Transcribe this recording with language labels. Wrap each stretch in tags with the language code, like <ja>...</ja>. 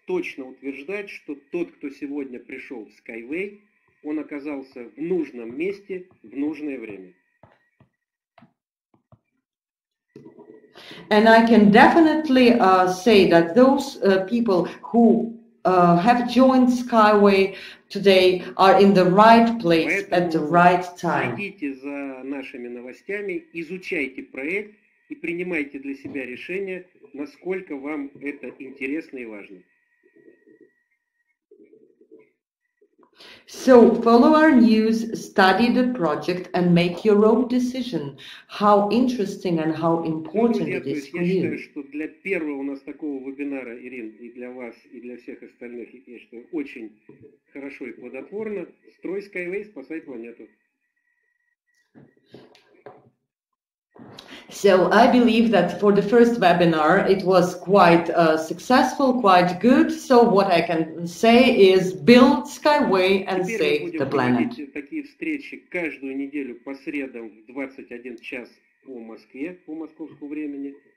<ru>Точно утверждать, что тот, кто сегодня пришел в Skyway, он оказался в нужном месте в нужное время.</ru> <en>And I can definitely say that those people who have joined Skyway today are in the right place at the right time.</en> <ru>Следите за нашими новостями, изучайте проект и принимайте для себя решение, насколько вам это интересно и важно.</ru> <en>So follow our news, study the project and make your own decision. How interesting and how important it is for you.</en> <ru>Я считаю, что для первого у нас такого вебинара, Ирин, и для вас, и для всех остальных, я считаю, очень хорошо и плодотворно. Строй Skyway, спасай планету.</ru> <en>So I believe that for the first webinar it was quite successful, quite good. So what I can say is build Skyway and</en> <ru>теперь</ru> <en>save the planet.</en> <ru>Теперь мы будем проводить такие встречи каждую неделю по средам в 21 час по Москве, по московскому времени.</ru>